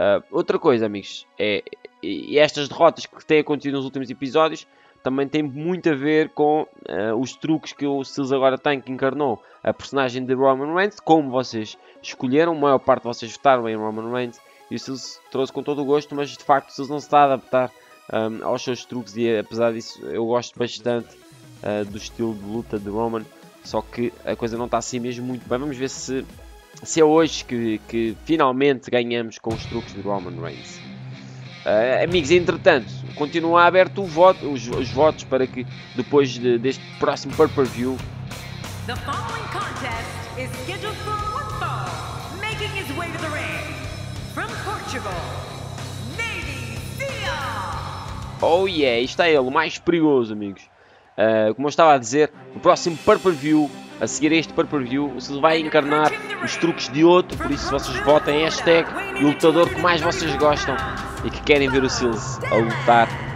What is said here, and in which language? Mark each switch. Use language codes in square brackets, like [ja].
[pt] Outra coisa, amigos, é e estas derrotas que têm acontecido nos últimos episódios também têm muito a ver com os truques que o Seals agora tem, que encarnou a personagem de Roman Reigns, como vocês escolheram, a maior parte de vocês votaram em Roman Reigns, e o Seals trouxe com todo o gosto, mas de facto o Seals não se está a adaptar aos seus truques, e apesar disso eu gosto bastante do estilo de luta de Roman, só que a coisa não está assim mesmo muito bem. Vamos ver se é hoje que finalmente ganhamos com os truques de Roman Reigns. Amigos, entretanto, continua aberto o voto, os votos para que depois deste próximo pay-per-view. [en] The following contest is scheduled for one fall, making his way to the ring from Portugal, Navy Seal. [pt] Oh yeah, isto é ele, o mais perigoso, amigos. Como eu estava a dizer, o próximo pay-per-view, a seguir a este pay-per-view, o Silvio vai encarnar os truques de outro, por isso vocês votem hashtag e o lutador que mais vocês gostam e que querem ver o Silvio a lutar.